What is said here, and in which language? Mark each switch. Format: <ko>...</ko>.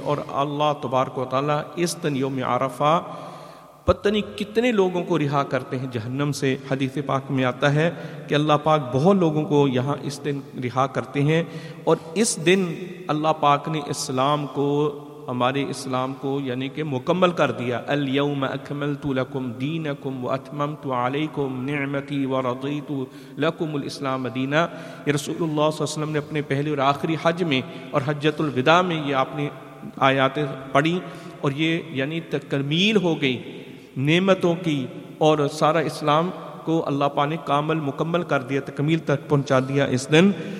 <ur>اور اللہ تبارک و تعالیٰ اس دن یوم عرفہ پتہ نہیں کتنے لوگوں کو رہا کرتے ہیں جہنم سے. حدیث پاک میں آتا ہے کہ اللہ پاک بہت لوگوں کو یہاں اس دن رہا کرتے ہیں. اور اس دن اللہ پاک نے اسلام کو ہمارے اسلام کو یعنی کہ مکمل کر دیا.</ur> <ar>الیوم اکملت لکم دینکم واتممت علیکم نعمتی ورضیت لکم الاسلام دینا.</ar> <ur>یہ رسول اللہ صلی اللہ علیہ وسلم نے اپنے پہلے اور آخری حج میں اور حجۃ الوداع میں یہ آپ نے آیات پڑھی, اور یہ یعنی تکمیل ہو گئی نعمتوں کی, اور سارا اسلام کو اللہ پاک نے کامل مکمل کر دیا, تکمیل تک پہنچا دیا اس دن.</ur>